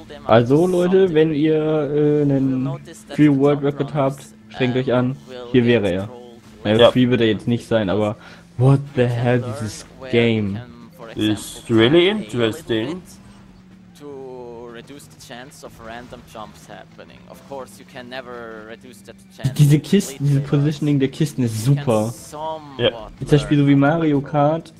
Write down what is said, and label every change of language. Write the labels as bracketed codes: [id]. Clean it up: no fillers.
[de] Also Leute, wenn ihr einen Free World Record habt, schränkt euch an, hier wäre er. Naja, ja. Free wird er jetzt nicht sein, aber [en] what the hell is this game? It's really interesting. Reduce the chance of random jumps happening. Of course, you can never reduce that chance. [de] Diese Kisten, diese Positioning der Kisten ist super. Ja. Ist das Spiel so wie Mario Kart?